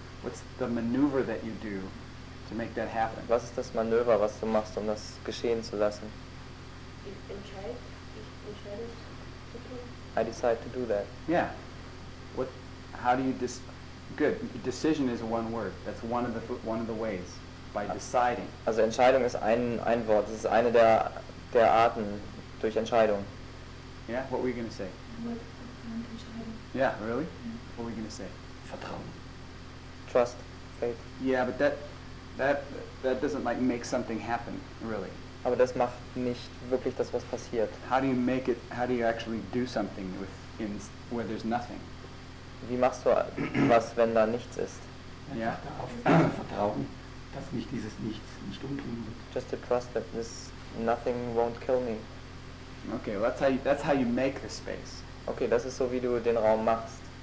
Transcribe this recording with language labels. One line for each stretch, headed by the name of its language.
English: What's the maneuver that you do to make that happen?
German: Was ist das Manöver, was du machst, um das geschehen zu lassen? Ich entscheide.
English: I decide to do that. Yeah. What? How do you good. Decision is one word. That's one of the ways. By deciding.
German: Also Entscheidung ist ein Wort. Das ist eine der Arten durch Entscheidung.
English: Yeah. What were you gonna say? Yeah. Really? Yeah. What were you gonna say?
German: Vertrauen.
English: Trust. Faith. Yeah, but that doesn't like make something happen. Really.
German: Aber das macht nicht wirklich das, was passiert.
English: How do you make it? How do you actually do something where there's nothing?
German: Wie machst du was, wenn da nichts ist? Ja, darauf vertrauen, dass mich dieses Nichts nicht umbringen wird.
English: Just to trust that this nothing won't kill me. Okay, well that's how you make the space.
German: Okay, das ist so, wie du den Raum machst.